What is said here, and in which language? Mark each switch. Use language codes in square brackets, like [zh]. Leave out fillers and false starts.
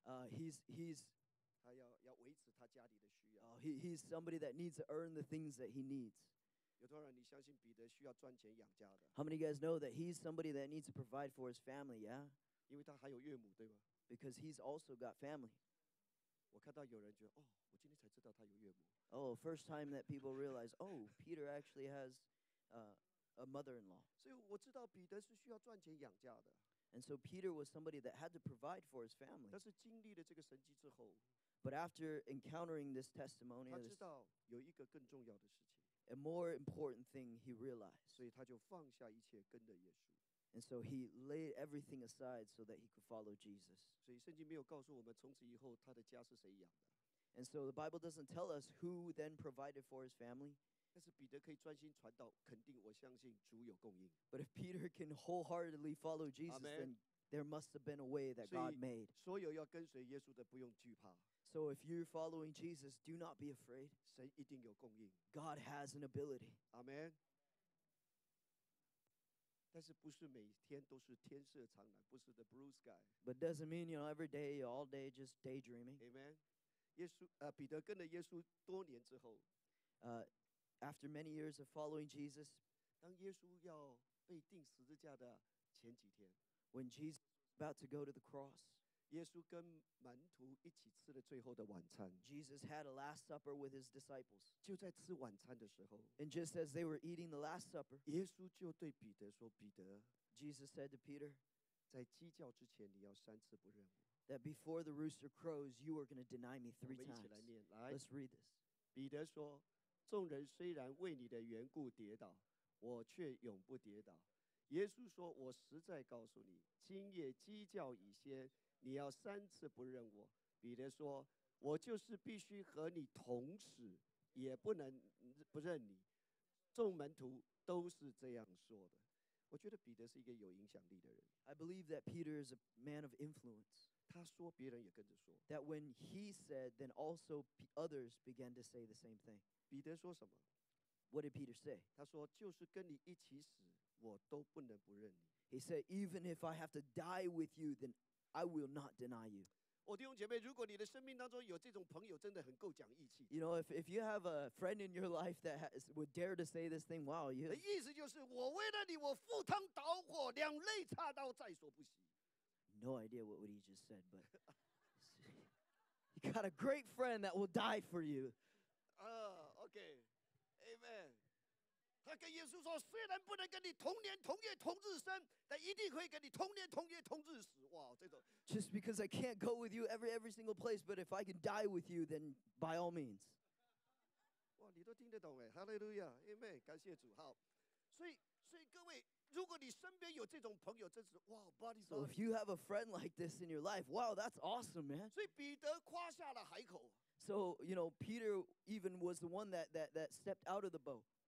[en] He's somebody that needs to earn the things that he needs. How many of you guys know that he's somebody that needs to provide for his family, yeah? [zh] 因为他还有岳母，对吧? [en] Because he's also got family. [zh] 我看到有人觉得, 哦, 我今天才知道他有岳母。 [en] Oh, first time that people realize, oh, Peter actually has a mother-in-law. [zh] 所以我知道彼得是需要赚钱养家的。 [en] And so Peter was somebody that had to provide for his family. [zh] 但是经历了这个神迹之后, [en] But after encountering this testimony, [zh] 他知道有一个更重要的事情, [en] a more important thing he realized. [zh] 所以他就放下一切跟着耶稣。 [en] And so he laid everything aside so that he could follow Jesus. [zh] 所以圣经没有告诉我们从此以后他的家是谁养的。 [en] And so the Bible doesn't tell us who then provided for his family. [zh] 但是彼得可以专心传道，肯定我相信主有供应。 [en] But if Peter can wholeheartedly follow Jesus, Amen. Then there must have been a way that God made. [zh] 所有要跟随耶稣的不用惧怕。 [en] So if you're following Jesus, do not be afraid. [zh] 神一定有供应。 [en] God has an ability. Amen. [zh] 但是不是每天都是天色苍蓝，不是 [en] the blue sky. But doesn't mean you know every day, all day just daydreaming. Amen. [zh] 耶稣，彼得跟了耶稣多年之后， [en] After many years of following Jesus, [zh] 当耶稣要被钉十字架的前几天, [en] when Jesus was about to go to the cross, [zh] 耶稣跟门徒一起吃了最后的晚餐, [en] Jesus had a last supper with his disciples. [zh] 就在吃晚餐的时候, [en] and just as they were eating the last supper, [zh] 耶稣就对彼得说, 彼得, [en] Jesus said to Peter, [zh] 在鸡叫之前你要三次不认我, [en] that before the rooster crows, you are going to deny me three times. [zh] 我们一起来念, 来, [en] Let's read this. [zh] 彼得说众人虽然为你的缘故跌倒，我却永不跌倒。耶稣说：“我实在告诉你，今夜鸡叫以先，你要三次不认我。” 彼得说：“我就是必须和你同死，也不能不认你。” 众门徒都是这样说的。我觉得彼得是一个有影响力的人。 [en] I believe that Peter is a man of influence. [zh] 他说，别人也跟着说。 [en] That when he said, then also others began to say the same thing. [zh] 彼得说什么? [en] What did Peter say? [zh] 他说, 就是跟你一起死, 我都不能不认你。 [en] He said, even if I have to die with you, then I will not deny you. [zh] 我弟兄姐妹, 如果你的生命当中有这种朋友, 真的很够讲义气。 [en] You know, if you have a friend in your life that would dare to say this thing, wow, you... [zh] 意思就是, 我为了你, 我赴汤蹈火, 两肋插刀在所不惜。 [en] No idea what he just said, but... you got a great friend that will die for you. Okay. Amen. [zh] 他跟耶稣说，虽然不能跟你同年同月同日生，但一定会跟你同年同月同日死。哇，这种。 [en] Just because I can't go with you every single place, but if I can die with you, then by all means. [zh] 哇，你都听得懂哎 ，Hallelujah, Amen, 感谢主。好，所以各位，如果你身边有这种朋友，真是哇 ，Body. [en] So if you have a friend like this in your life, wow, that's awesome, man. [zh] 所以彼得夸下了海口。 [en] So, you know, Peter even was the one that stepped out of the boat.